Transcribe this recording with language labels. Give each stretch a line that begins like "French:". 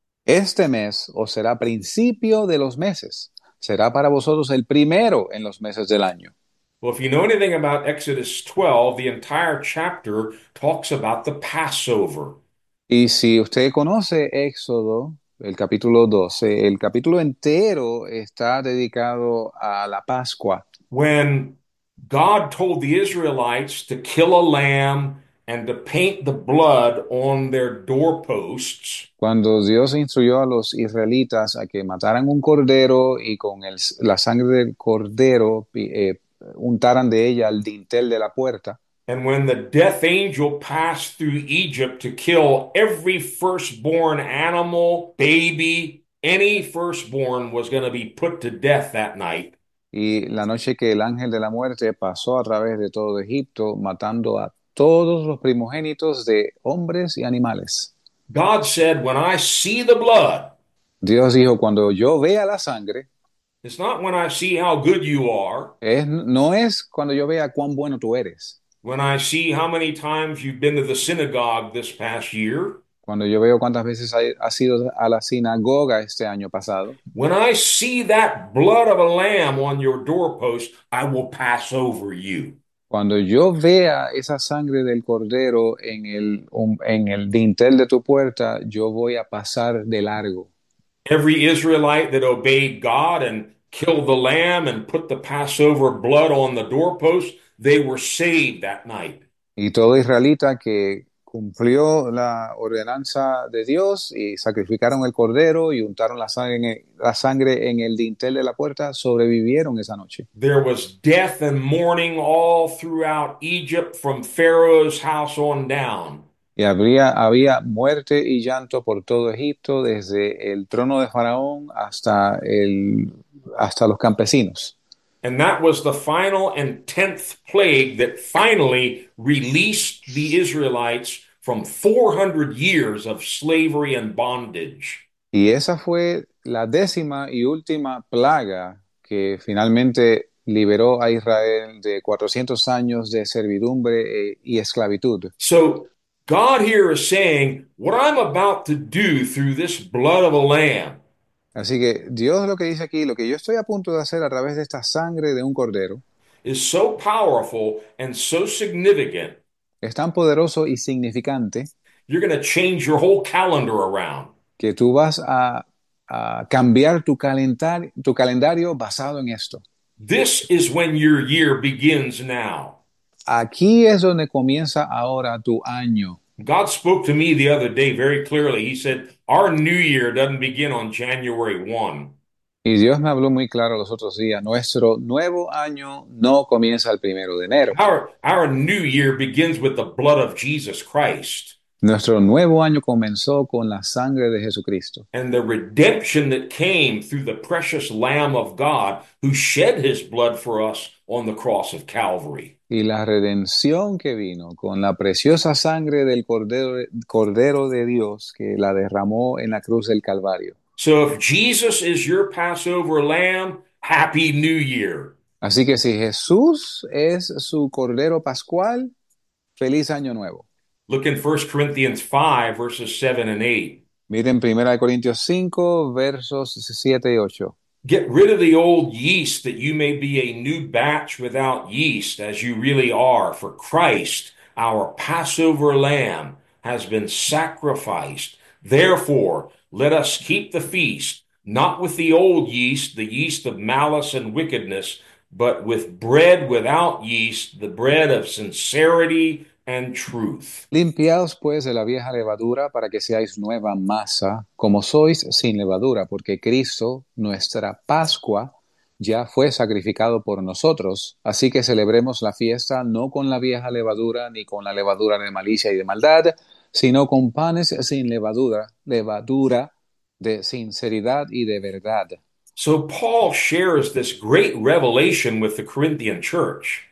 Spanish: Este mes os será principio de los meses, será para vosotros el primero en los meses del año.
English: Well, if you know anything about Exodus 12, the entire chapter talks about the Passover.
Spanish: Y si usted conoce Éxodo, el capítulo 12, el capítulo entero está dedicado a la Pascua.
English: When God told the Israelites to kill a lamb and to paint the blood on their doorposts.
Spanish: Cuando Dios instruyó a los israelitas a que mataran un cordero y con la sangre del cordero untaran de ella el dintel de la puerta.
English: And when the death angel passed through Egypt to kill every firstborn animal, baby, any firstborn was going to be put to death that night.
Spanish: Y la noche que el ángel de la muerte pasó a través de todo Egipto, matando a todos los primogénitos de hombres y animales.
English: God said, when I see the blood,
Spanish: Dios dijo, cuando yo vea la sangre,
English: it's not when I see how good you are.
Spanish: no es cuando yo vea cuán bueno tú eres.
English: When I see how many times you've been to the synagogue this past year.
Spanish: Cuando yo veo cuántas veces has ido a la sinagoga este año pasado.
English: When I see that blood of a lamb on your doorpost, I will pass over you.
Spanish: Cuando yo vea esa sangre del cordero en el dintel de tu puerta, yo voy a pasar de largo.
English: Every Israelite that obeyed God and killed the lamb and put the Passover blood on the doorpost, they were saved that night.
Spanish: Y todo israelita que cumplió la ordenanza de Dios y sacrificaron el cordero y untaron la sangre en el dintel de la puerta, sobrevivieron esa noche.
English: There was death and mourning all throughout Egypt from Pharaoh's house on down.
Spanish: Y había muerte y llanto por todo Egipto, desde el trono de Faraón hasta los campesinos.
English: And that was the final and tenth plague that finally released the Israelites from 400 years of slavery and bondage.
Spanish: Y esa fue la décima y última plaga que finalmente liberó a Israel de 400 años de servidumbre y esclavitud.
English: So God here is saying, what I'm about to do through this blood of a lamb.
Spanish: Así que Dios lo que dice aquí, lo que yo estoy a punto de hacer a través de esta sangre de un cordero,
English: Is so powerful and so significant,
Spanish: es tan poderoso y significante
English: you're going to change your whole calendar around.
Spanish: que tú vas a cambiar tu calendario basado en esto.
English: This is when your year begins now.
Spanish: Aquí es donde comienza ahora tu año.
English: God spoke to me the other day very clearly. He said, our new year doesn't begin on January 1.
Spanish: Y Dios me habló muy claro los otros días, nuestro nuevo año no comienza el primero de enero.
English: Our new year begins with the blood of Jesus Christ.
Spanish: Nuestro nuevo año comenzó con la sangre de Jesucristo.
English: And the redemption that came through the precious Lamb of God who shed his blood for us on the cross of Calvary.
Spanish: Y la redención que vino con la preciosa sangre del Cordero de Dios que la derramó en la cruz del Calvario.
English: So if Jesus is your Passover lamb, happy new year.
Spanish: Así que si Jesús es su Cordero Pascual, feliz año nuevo.
English: Look in 1 Corinthians 5, verses 7 and 8.
Spanish: Miren 1 Corintios 5, versos 7 y 8.
English: Get rid of the old yeast that you may be a new batch without yeast, as you really are, for Christ, our Passover lamb, has been sacrificed. Therefore, let us keep the feast, not with the old yeast, the yeast of malice and wickedness, but with bread without yeast, the bread of sincerity. And truth.
Spanish: Limpiaos pues de la vieja levadura para que seáis nueva masa, como sois sin levadura, porque Cristo, nuestra Pascua, ya fue sacrificado por nosotros. Así que celebremos la fiesta no con la vieja levadura ni con la levadura de malicia y de maldad, sino con panes sin levadura, levadura de sinceridad y de verdad.
English: So Paul shares this great revelation with the Corinthian church.